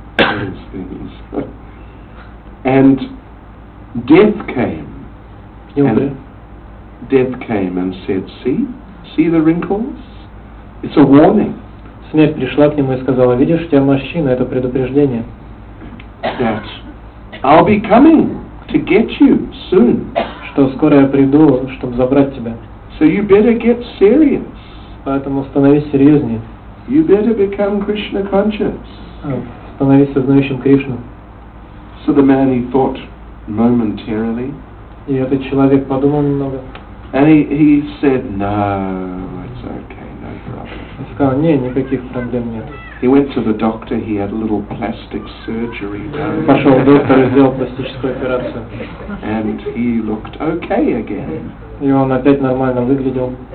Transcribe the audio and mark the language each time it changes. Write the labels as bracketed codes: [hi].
[en] And death came and said, see the wrinkles? It's a warning. [ru] Смерть пришла к нему и сказала, видишь, у тебя морщины, это предупреждение. [en] That I'll be coming to get you soon. [ru] Что скоро я приду, чтобы забрать тебя. [en] So you better get serious. [ru] Поэтому становись серьезнее. [en] You better become Krishna conscious. [ru] Становись сознающим Кришну. [en] So the man, he thought momentarily. [ru] И этот человек подумал немного. [en] And he said, no, it's okay, no problem. [ru] Он сказал, не, никаких проблем нет. [en] He went to the doctor, he had a little plastic surgery done. [ru] Пошел к доктору, сделал пластическую операцию. [en] And he looked okay again. [ru] И он опять нормально выглядел.